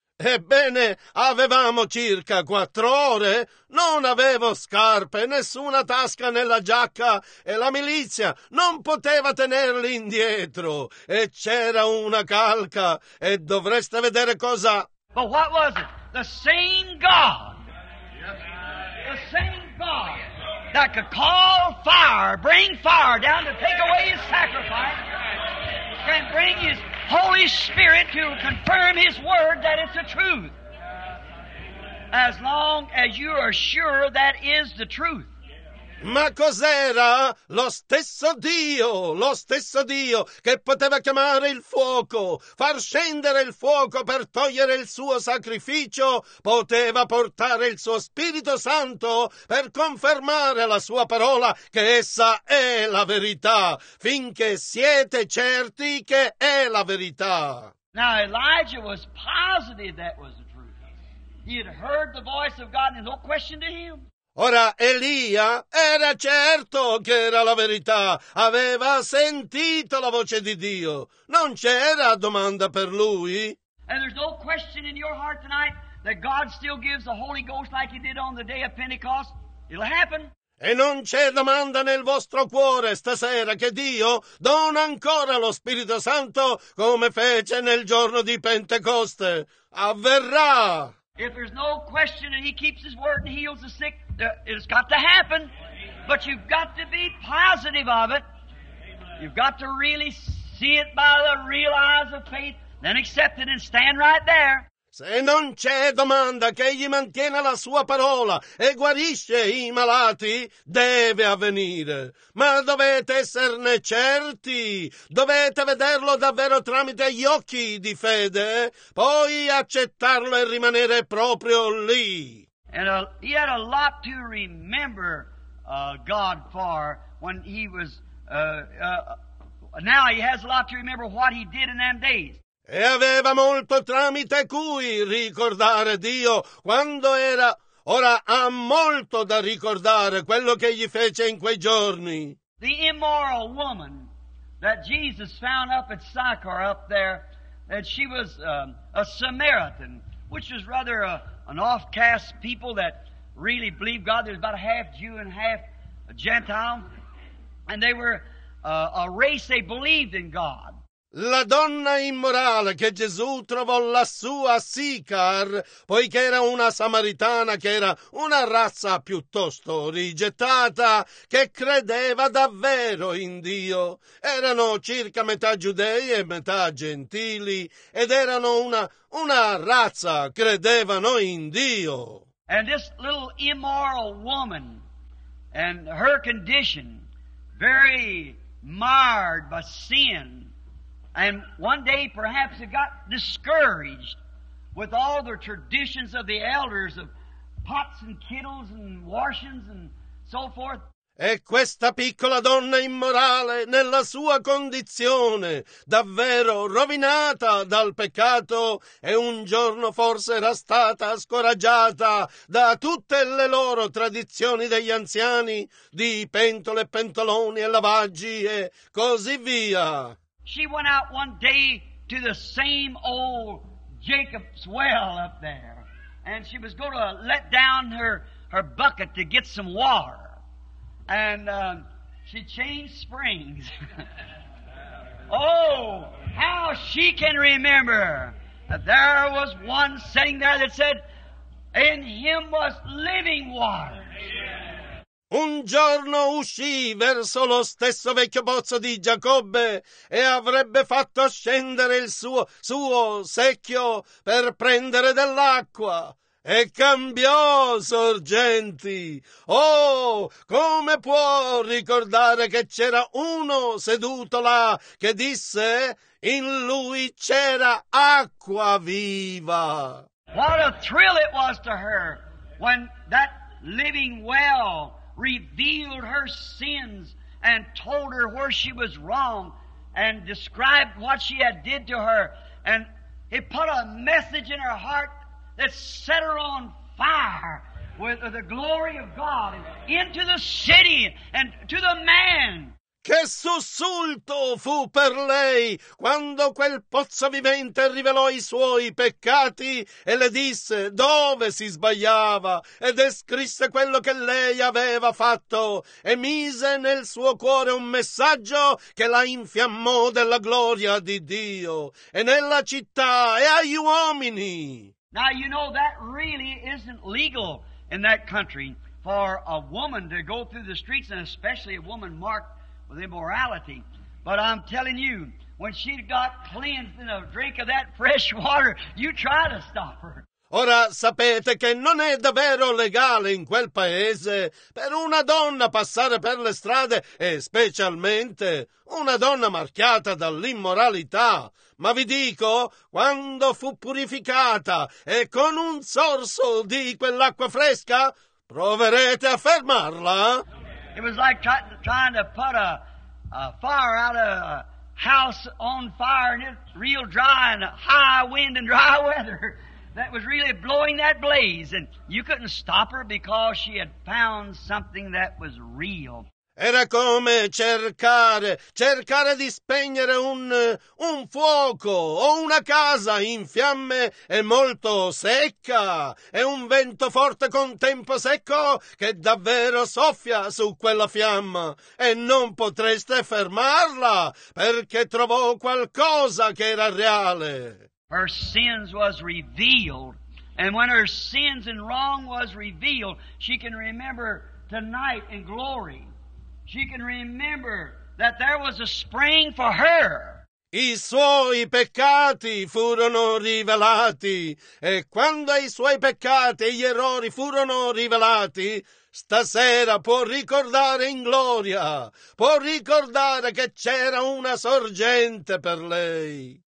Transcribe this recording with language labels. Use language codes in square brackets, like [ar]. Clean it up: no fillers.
[it] Ebbene, avevamo circa 4 ore, non avevo scarpe, nessuna tasca nella giacca, e la milizia non poteva tenerli indietro, e c'era una calca, e dovreste vedere cosa. [en] But what was it? The same God. The same God. That could call fire, bring fire down to take away his sacrifice, and bring his Holy Spirit to confirm his word that it's the truth. As long as you are sure that is the truth. [it] Ma cos'era? Lo stesso Dio che poteva chiamare il fuoco, far scendere il fuoco per togliere il suo sacrificio, poteva portare il suo Spirito Santo per confermare la sua parola che essa è la verità, finché siete certi che è la verità. [en] Now Elijah was positive that was the truth. He had heard the voice of God and no question to him. [it] Ora, Elia era certo che era la verità, aveva sentito la voce di Dio, non c'era domanda per lui. [en] And there's no question in your heart tonight that God still gives the Holy Ghost like he did on the day of Pentecost, it'll happen. [it] E non c'è domanda nel vostro cuore stasera che Dio dona ancora lo Spirito Santo come fece nel giorno di Pentecoste, avverrà. [en] If there's no question and he keeps his word and heals the sick, it's got to happen. But you've got to be positive of it. You've got to really see it by the real eyes of faith, then accept it and stand right there. [it] Se non c'è domanda che egli mantiene la sua parola e guarisce i malati, deve avvenire. Ma dovete esserne certi, dovete vederlo davvero tramite gli occhi di fede, poi accettarlo e rimanere proprio lì. [en] And he had a lot to remember God for when he was, now he has a lot to remember what he did in them days. [it] E aveva molto tramite cui ricordare Dio quando era. Ora ha molto da ricordare quello che gli fece in quei giorni. [en] The immoral woman that Jesus found up at Sychar up there, that she was a Samaritan, which was rather an off-caste people that really believed God. There's about a half Jew and half a Gentile, and they were a race, they believed in God. [it] La donna immorale che Gesù trovò lassù a Sicar, poiché era una samaritana che era una razza piuttosto rigettata, che credeva davvero in Dio. Erano circa metà giudei e metà gentili, ed erano una razza, credevano in Dio. [en] And this little immoral woman and her condition, very marred by sin. And one day, perhaps, they got discouraged with all the traditions of the elders of pots and kettles and washings and so forth. [it] E questa piccola donna immorale, nella sua condizione, davvero rovinata dal peccato, e un giorno forse era stata scoraggiata da tutte le loro tradizioni degli anziani di pentole, pentoloni e lavaggi e così via. [en] She went out one day to the same old Jacob's well up there, and she was going to let down her bucket to get some water, and she changed springs. Oh, how she can remember that there was one sitting there that said, in him was living water. [it] Un giorno uscì verso lo stesso vecchio pozzo di Giacobbe e avrebbe fatto scendere il suo secchio per prendere dell'acqua. E cambiò sorgenti. Oh, come può ricordare che c'era uno seduto là che disse in lui c'era acqua viva. [en] What a thrill it was to her when that living well revealed her sins and told her where she was wrong and described what she had did to her, and it put a message in her heart that set her on fire with the glory of God into the city and to the man. [it] Che sussulto fu per lei quando quel pozzo vivente rivelò i suoi peccati e le disse dove si sbagliava e descrisse quello che lei aveva fatto e mise nel suo cuore un messaggio che la infiammò della gloria di Dio e nella città e agli uomini. [en] Now you know that really isn't legal in that country for a woman to go through the streets, and especially a woman marked with immorality. But I'm telling you, when she got cleansed in a drink of that fresh water, you try to stop her. [it] Ora sapete che non è davvero legale in quel paese per una donna passare per le strade, e specialmente una donna marchiata dall'immoralità. Ma vi dico, quando fu purificata e con un sorso di quell'acqua fresca, proverete a fermarla? [en] It was like trying to put a fire out of a house on fire, and it's real dry and high wind and dry weather that was really blowing that blaze, and you couldn't stop her because she had found something that was real. [it] Era come cercare di spegnere un fuoco o una casa in fiamme e molto secca. È un vento forte con tempo secco che davvero soffia su quella fiamma. E non potreste fermarla perché trovò qualcosa che era reale. [en] Her sins was revealed. And when her sins and wrong was revealed, she can remember tonight in glory. She can remember that there was a spring for her. [it] I suoi peccati furono rivelati, e quando i suoi peccati e gli errori furono rivelati, stasera può ricordare in gloria, può ricordare che c'era una sorgente per lei.